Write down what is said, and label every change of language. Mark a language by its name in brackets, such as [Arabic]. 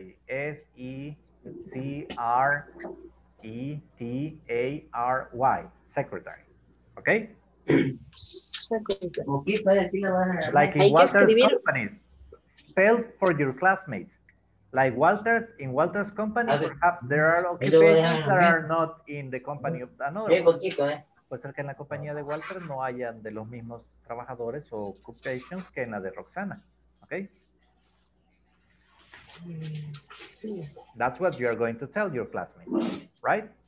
[English] S-E-C-R-E-T-A-R-Y. Secretary. Okay? Like in Walter's companies. Spell for your classmates. Like Walter's, in Walter's company, perhaps there are occupations that are not in the company of another. [Spanish] Puede ser que en la compañía de Walter no hayan de los mismos trabajadores o occupations que en la de Roxana. [English] Okay? That's what you are going to tell your classmates, right?